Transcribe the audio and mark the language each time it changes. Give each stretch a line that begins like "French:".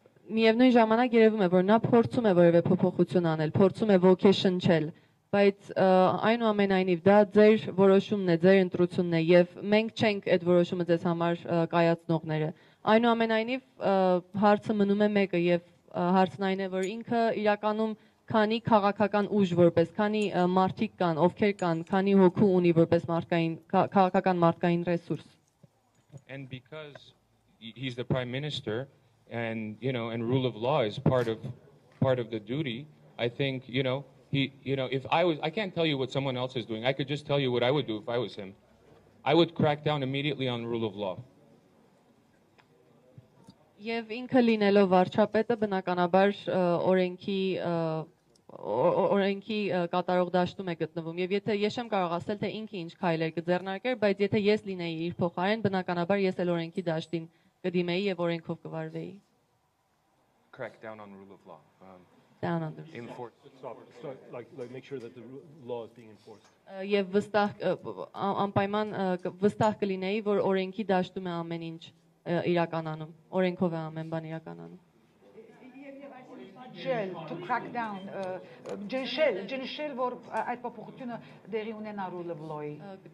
Armenian: Միևնույն ժամանակ երևում է, որ նա փորձում է որևէ փոփոխություն անել, փորձում է ոգի շնչել, բայց այնուամենայնիվ դա ձեր որոշումն է, ձեր ընտրությունն է, եւ մենք չենք այդ որոշումը ձեզ համար կայացնողները։ Այնուամենայնիվ հարցը մնում է մեկը, եւ հարցն այն է, որ ինքը իրականում քանի քաղաքական ուժ որպես, քանի մարդիկ կան, ովքեր կան, քանի հոգու ունի որպես մարդկային, քաղաքական մարդկային ռեսուրս։
English: And because he's the prime minister and, you know, and rule of law is part of the duty, I think, you know, I can't tell you what someone else is doing. I could just tell you what I would do if I was him. I would crack down immediately on rule of law.
Armenian: Եվ ինքը լինելով վարչապետը բնականաբար օրենքի կատարող դաշտում է գտնվում, եւ եթե ես չեմ կարող ասել, թե ինքը ինչ քայլեր կձեռնարկեր, բայց եթե ես լինեի իր փոխարեն, բնականաբար ես էլ օրենքի դաշտին կդիմեի եւ օրենքով կվարվեի։
English: Crack down on rule of law. Down on the like make sure that the law is being enforced.
Armenian: Եվ վստահ անպայման վստահ կլինեի, որ օրենքի դաշտում է ամեն ինչ իրականանում, օրենքով է ամեն բան իրականանում։ Ջել,
English: to crack down,
Armenian: ջնշել, որ այդ փոփոխությունը դերի ունենա
English: rule of law-
Armenian: ի։